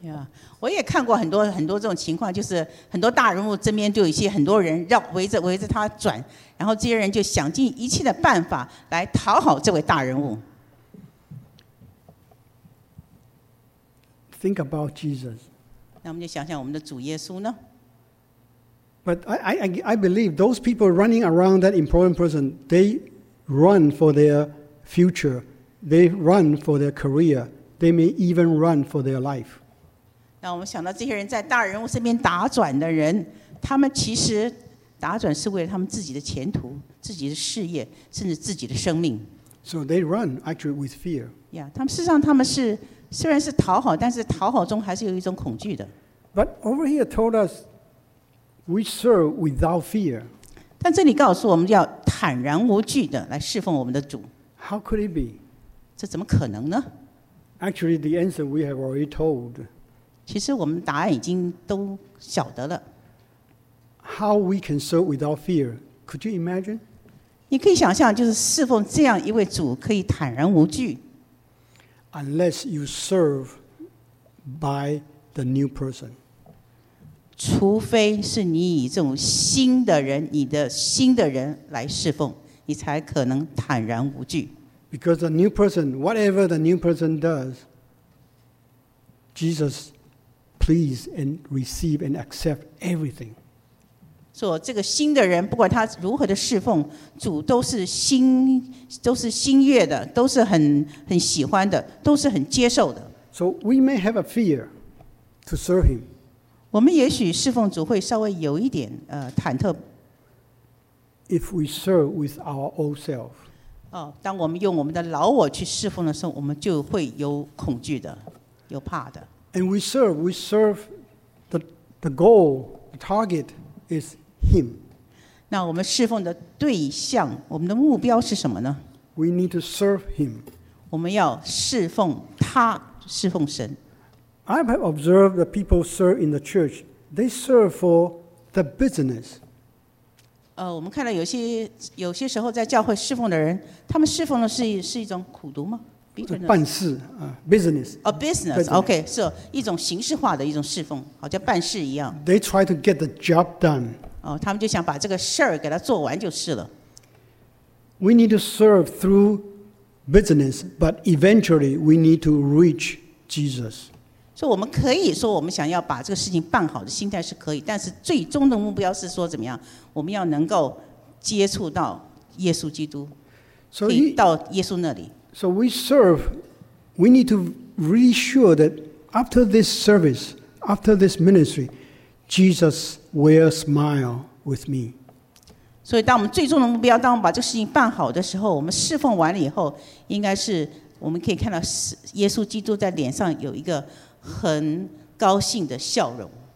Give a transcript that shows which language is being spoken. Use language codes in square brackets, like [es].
[zh] Yeah, 我也看过很多这种情况，就是很多大人物身边就有一些很多人绕围着他转。然后这些人就想尽一切的办法来讨好这位大人物。 [en] Think about Jesus. [zh] 那我们就想想我们的主耶稣呢。 [en] But I believe those people running around that important person, they run for their future, they run for their career, they may even run for their life. [zh] 那我们想到这些人在大人物身边打转的人，他们其实。打转是为了他们自己的前途、自己的事业，甚至自己的生命。 [en] So they run actually with fear. [zh] Yeah, 他们事实上他们是虽然是讨好，但是讨好中还是有一种恐惧的。 [en] But over here told us we serve without fear. [zh] 但这里告诉我们要坦然无惧的来侍奉我们的主。 [en] How could it be? [zh] 这怎么可能呢？ [en] Actually, the answer we have already told. [zh] 其实我们答案已经都晓得了。 [en] How we can serve without fear? Could you imagine? [zh] 你可以想象，就是侍奉这样一位主，可以坦然无惧。 [en] Unless you serve by the new person. [zh] 除非是你以这种新的人，你的新的人来侍奉，你才可能坦然无惧。 [en] Because the new person, whatever the new person does, Jesus please and receive and accept everything. [zh] 所以这个新的人，不管他如何的侍奉，主都是心悦的，都是很喜欢的，都是很接受的。 [en] So we may have a fear to serve him. [zh] 我们也许侍奉主会稍微有一点忐忑。 [en] If we serve with our old self. [zh] 当我们用我们的老我去侍奉的时候，我们就会有恐惧的，有怕的。 [en] And we serve the goal, the target is him. [zh] 那我们侍奉的对象，我们的目标是什么呢？ [en] We need to serve him. [zh] 我们要侍奉他，侍奉神。 [en] I have observed the people serve in the church. They serve for the business. [zh] 我们看到有些时候在教会侍奉的人，他们侍奉的是一种苦读吗？办事business. [en] A business, okay, so [zh] 一种形式化的一种侍奉，好像办事一样。 [en] They try to get the job done. [zh] 他们就想把这个事儿给他做完就是了。 [en] We need to serve through business, but eventually we need to reach Jesus. [zh] 所以我们可以说我们想要把这个事情办好的心态是可以，但是最终的目标是说怎么样？我们要能够接触到耶稣基督，可以到耶稣那里。 [en] So we serve, we need to reassure that after this service, after this ministry, Jesus will smile with me. [zh] 所以当我们最终的目标，当我们把这个事情办好的时候，我们侍奉完了以后，应该是我们可以看到耶稣基督在脸上有一个很高兴的笑容。